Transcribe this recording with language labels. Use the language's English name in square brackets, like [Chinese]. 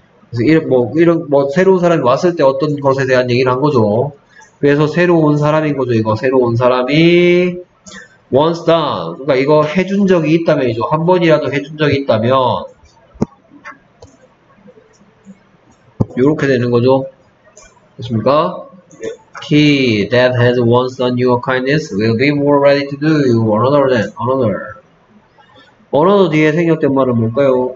[Korean] 그래서 이런 뭐 이런 뭐 새로운 사람이 왔을 때 어떤 것에 대한 얘기를 한 거죠. 그래서 새로운 사람인 거죠. 이거 새로운 사람이 [English] once done. [Korean] 그러니까 이거 해준 적이 있다면이죠. 한 번이라도 해준 적이 있다면 이렇게 되는 거죠. 그렇습니까? [English] He that has once done you a kindness will be more ready to do you another than another. [Korean] 어느덧 뒤에 생략된 말은 뭘까요?